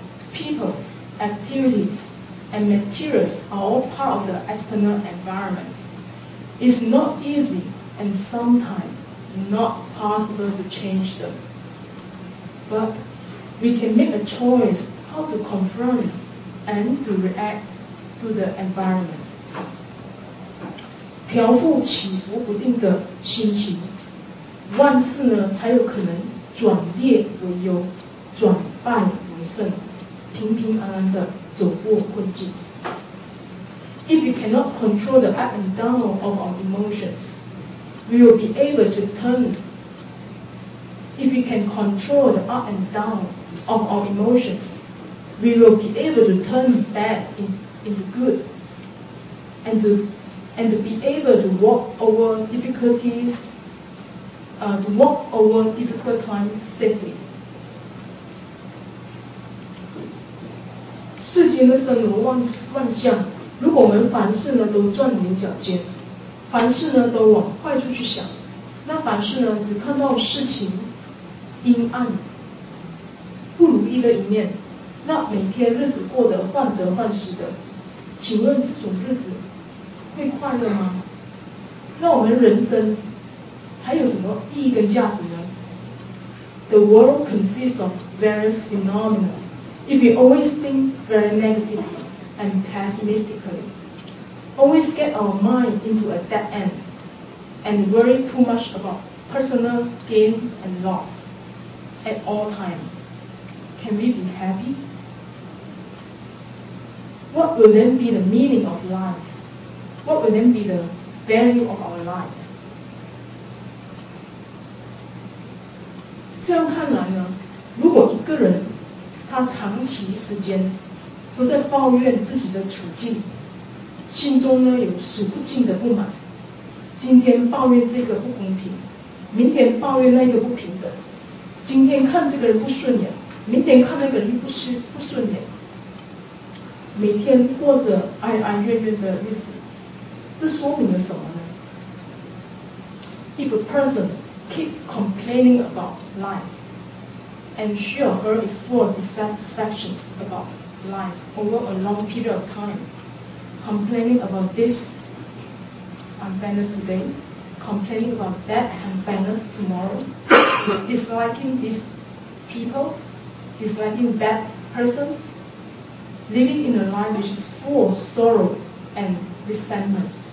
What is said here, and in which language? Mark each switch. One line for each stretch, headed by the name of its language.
English: People, activities, and materials are all part of the external environment. It's not easy and sometimes not possible to change them. But we can make a choice how to confront and to react to the environment.
Chinese: 调伏起伏不定的心情，万事呢才有可能转劣为优，转败为胜，平平安安的走过困境。
English: If we cannot control the up and down of our emotions, we will be able to turn. If we can control the up and down of our emotions, we will be able to turn bad into good, and to be able to walk over difficulties. To walk over difficult times safely.
Chinese: 世间的生活 万象，如果我们凡事呢都钻牛角尖，凡事呢都往坏处去想，那凡事呢只看到事情阴暗，不如意的一面，那每天日子过得患得患失的，请问这种日子会快乐吗？那我们人生还有什么意义跟价值呢？
English: The world consists of various phenomena. If you always think very negatively and pessimistically, always get our mind into a dead end and worry too much about personal gain and loss at all times, can we be happy? What will then be the meaning of life? What will then be the value of our life?
Chinese: 这样看来呢，如果一个人他长期时间都在抱怨自己的处境，心中呢有数不尽的不满，今天抱怨这个不公平，明天抱怨那个不平等，今天看这个人不顺眼，明天看那个人不顺眼，每天过着哀哀怨怨的日子，这说明了什么呢？
English: If a personKeep complaining about life, and she or her is full of dissatisfactions about life over a long period of time. Complaining about this unfairness today, complaining about that unfairness tomorrow, disliking these people, disliking that person, living in a life which is full of sorrow and resentment.